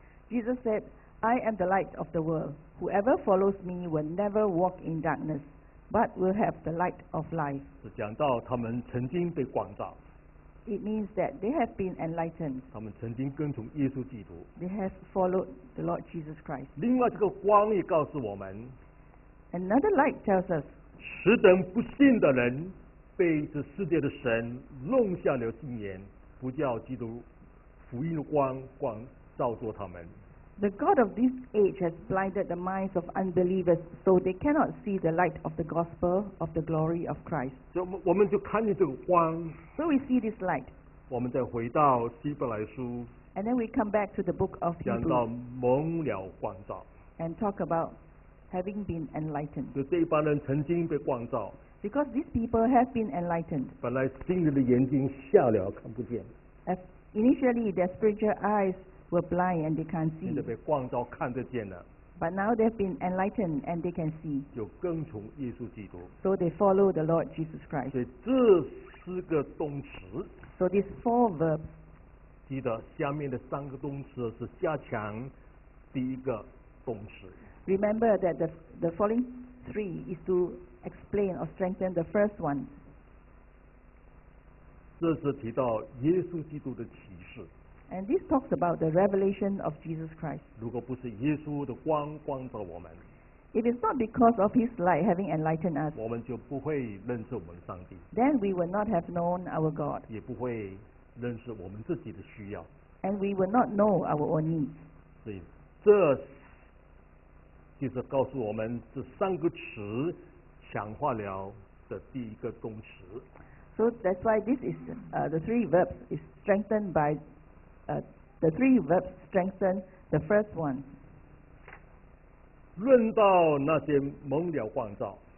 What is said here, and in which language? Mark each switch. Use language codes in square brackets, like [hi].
[en] Jesus said, I am the light of the world. Whoever follows me will never walk in darkness, but will have the light of life. [zh] 是讲到他们曾经被光照。 [en] It means that they have been enlightened. [zh] 他们曾经跟从耶稣基督。 [en] They have followed. The Lord Jesus Christ. [zh] 另外，这个光也告诉我们 [en] ，Another light tells us， [zh] 此等不信的人，被这世界的神弄瞎了心眼，不叫基督福音的光照着他们。 [en] The God of this age has blinded the minds of unbelievers, so they cannot see the light of the gospel of the glory of Christ. [zh] 我们就看见这个光。 [en] So we see this light. [zh] 我们再回到希伯来书。 [en] And then we come back to the book of Hebrews. [zh] 讲到蒙了光照。 [en] And talk about having been enlightened. [zh] 就这一帮人曾经被光照。 [en] Because these people have been enlightened. [zh] 本来心里的眼睛瞎了，看不见。 [en] As initially, their spiritual eyes were blind and they can't see. [zh] 现在被光照看得见了。 [en] But now they've been enlightened and they can see. [zh] 就跟从耶稣基督。 [en] So they follow the Lord Jesus Christ. [zh] 所以这四个动词。 [en] So these four verbs. [zh] 记得下面的三个动词是加强第一个动词。 [en] Remember that the following three is to explain or strengthen the first one. [zh] 这是提到耶稣基督的启示。 [en] And this talks about the revelation of Jesus Christ. [zh] 如果不是耶稣的光照我们 [en] ，If it's not because of His light having enlightened us, [zh] 我们就不会认识我们上帝。 [en] Then we will not have known our God. [zh] 也不会。认识我们自己的需要 [en] ，and we will not know our own needs。 [zh] 所以，这就是告诉我们这三个词强化了的第一个动词。 [en] So that's why this is the three verbs is strengthened by the three verbs strengthen the first one. [zh] 论到那些蒙了光照。